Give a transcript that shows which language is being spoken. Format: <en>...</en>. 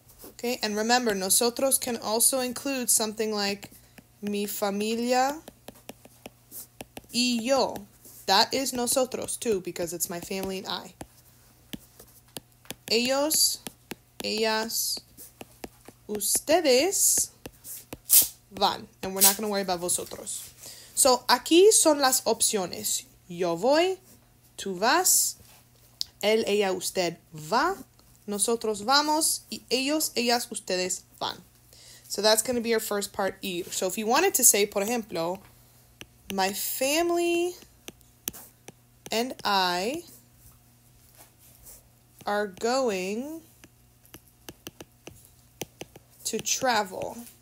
<en>Okay, and remember, nosotros can also include something like</en> <es>mi familia y yo.</es> <en>That is nosotros, too, because it's my family and I.</en> <es>Ellos, ellas, ustedes van.</es> <en>And we're not going to worry about vosotros.</en> <es>So, aquí son las opciones. Yo voy, tú vas, él, ella, usted va. Nosotros vamos y ellos, ellas, ustedes van.</es> <en>So that's going to be your first part, ir. So if you wanted to say,</en> <es>por ejemplo,</es> <en>my family and I are going to travel.</en>